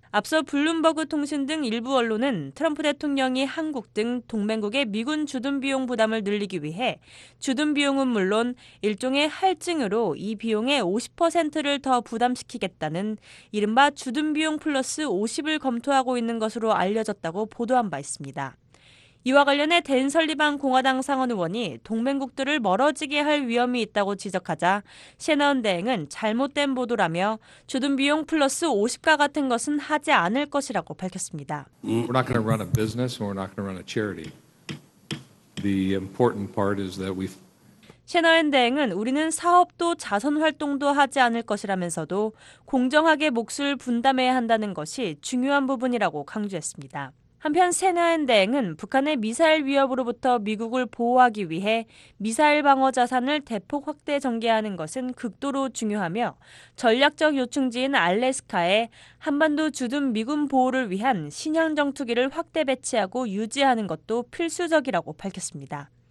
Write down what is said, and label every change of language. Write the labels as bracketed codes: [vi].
[ko] 앞서 블룸버그 통신 등 일부 언론은 트럼프 대통령이 한국 등 동맹국의 미군 주둔 비용 부담을 늘리기 위해 주둔 비용은 물론 일종의 할증으로 이 비용의 50%를 더 부담시키겠다는 이른바 주둔 비용 플러스 50을 검토하고 있는 것으로 알려졌다고 보도한 바 있습니다. 이와 관련해 댄 설리반 공화당 상원 의원이 동맹국들을 멀어지게 할 위험이 있다고 지적하자 셰너헨 대행은 잘못된 보도라며 주둔 비용 플러스 50과 같은 것은 하지 않을 것이라고 밝혔습니다. [en] We're not going to run a business or we're not going to run a charity. The important part is that we've [ko] 셰너헨 대행은 우리는 사업도 자선 활동도 하지 않을 것이라면서도 공정하게 몫을 분담해야 한다는 것이 중요한 부분이라고 강조했습니다. 한편 셰너헨 대행은 북한의 미사일 위협으로부터 미국을 보호하기 위해 미사일 방어 자산을 대폭 확대 전개하는 것은 극도로 중요하며 전략적 요충지인 알래스카에 한반도 주둔 미군 보호를 위한 신형 정투기를 확대 배치하고 유지하는 것도 필수적이라고 밝혔습니다.